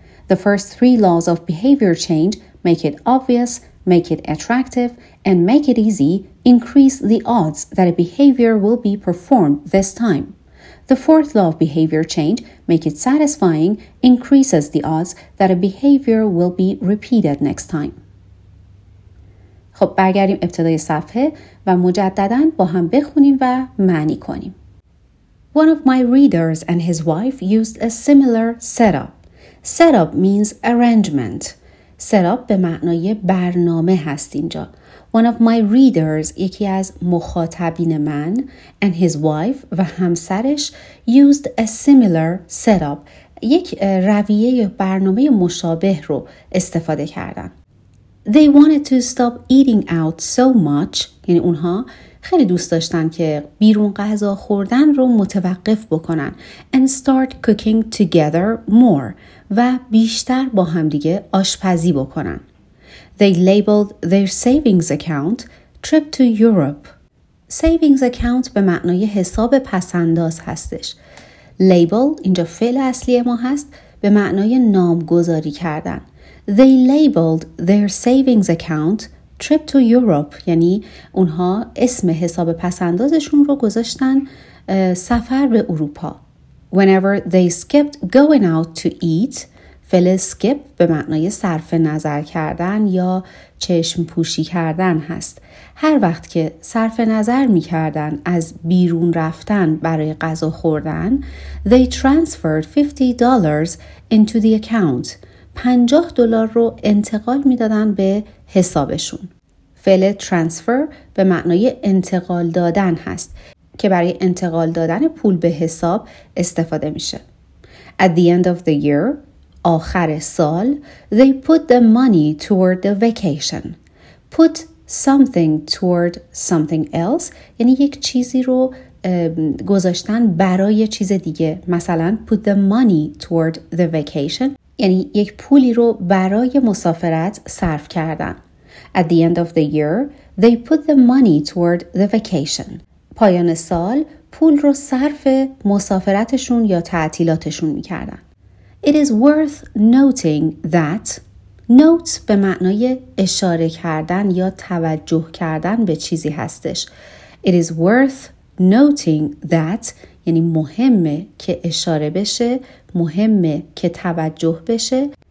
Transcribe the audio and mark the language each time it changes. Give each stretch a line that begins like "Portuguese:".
English: The first three laws of behavior change make it obvious, make it attractive, and make it easy, increase the odds that a behavior will be performed this time. The fourth law of behavior change, make it satisfying, increases the odds that a behavior will be repeated next time.
Persian: خب برگردیم ابتدای صفحه و مجدداً با هم بخونیم و معنی کنیم.
English: One of my readers and his wife used a similar setup. Setup means arrangement.
Persian: Setup به معنای برنامه هست اینجا.
English: One of my readers,
Persian: یکی از مخاطبین من,
English: and his wife
Persian: و همسرش,
English: used a similar setup.
Persian: یک رویه برنامه مشابه رو استفاده کردن.
English: They wanted to stop eating out so much.
Persian: یعنی اونها خیلی دوست داشتن که بیرون غذا خوردن رو متوقف بکنن.
English: And start cooking together more.
Persian: و بیشتر با همدیگه آشپزی بکنن.
English: They labeled their savings account trip to Europe.
Persian: Savings account به معنای حساب پسنداز هستش. Label اینجا فعل اصلی ما هست به معنای نامگذاری کردن.
English: They labeled their savings account trip to Europe.
Persian: یعنی اونها اسم حساب پسندازشون رو گذاشتن سفر به اروپا.
English: Whenever they skipped going out to eat,
Persian: فعل skip به معنای صرف نظر کردن یا چشم پوشی کردن هست. هر وقت که صرف نظر می کردن از بیرون رفتن برای غذا خوردن،
English: they transferred $50 into the account.
Persian: $50 رو انتقال می دادن به حسابشون. فعل transfer به معنای انتقال دادن هست که برای انتقال دادن پول به حساب استفاده میشه.
English: At the end of the year،
Persian: آخر سال،
English: they put the money toward the vacation. Put something toward something else
Persian: یعنی یک چیزی رو گذاشتن برای چیز دیگه. مثلا
English: put the money toward the vacation
Persian: یعنی یک پولی رو برای مسافرت صرف کردن.
English: At the end of the year, they put the money toward the vacation.
Persian: پایان سال پول رو صرف مسافرتشون یا تعطیلاتشون می‌کردن.
English: It is worth noting that
Persian: note به معنای اشاره کردن یا توجه کردن به چیزی هستش.
English: It is worth noting that
Persian: یعنی مهمه که اشاره بشه، مهمه که توجه بشه.